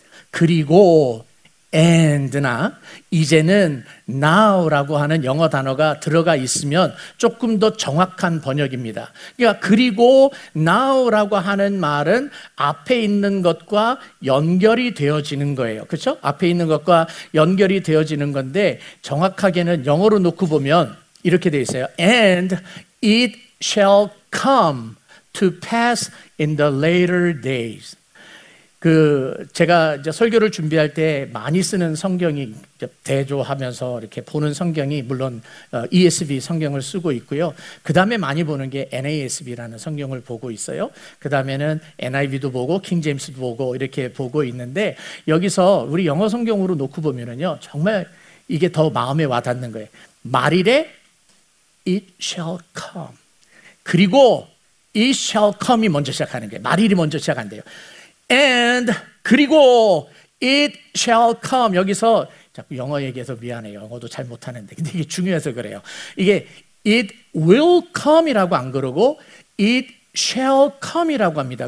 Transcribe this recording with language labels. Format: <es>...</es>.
<ko>그리고 and나 이제는 now라고 하는 영어 단어가 들어가 있으면 조금 더 정확한 번역입니다. 그러니까 그리고 now라고 하는 말은 앞에 있는 것과 연결이 되어지는 거예요. 그렇죠? 앞에 있는 것과 연결이 되어지는 건데 정확하게는 영어로 놓고 보면 이렇게 되어 있어요.</ko> <en>And it shall come to pass in the later days.</en> <ko>그 제가 이제 설교를 준비할 때 많이 쓰는 성경이 대조하면서 이렇게 보는 성경이 물론 ESV 성경을 쓰고 있고요. 그 다음에 많이 보는 게 NASB라는 성경을 보고 있어요. 그 다음에는 NIV도 보고 킹제임스도 보고 이렇게 보고 있는데 여기서 우리 영어 성경으로 놓고 보면은요 정말 이게 더 마음에 와닿는 거예요. 말이래</ko> <en>It shall come.</en> <ko>그리고</ko> <en>It shall come</en> <ko>이 먼저 시작하는 거예요. 말이래 먼저 시작한대요. And 그리고</ko> <en>it shall come</en> <ko>여기서 자꾸 영어 얘기해서 미안해요. 영어도 잘 못하는데 근데 이게 중요해서 그래요. 이게</ko> <en>it will come</en> <ko>이라고 안 그러고</ko> <en>it shall come</en> <ko>이라고 합니다.</ko>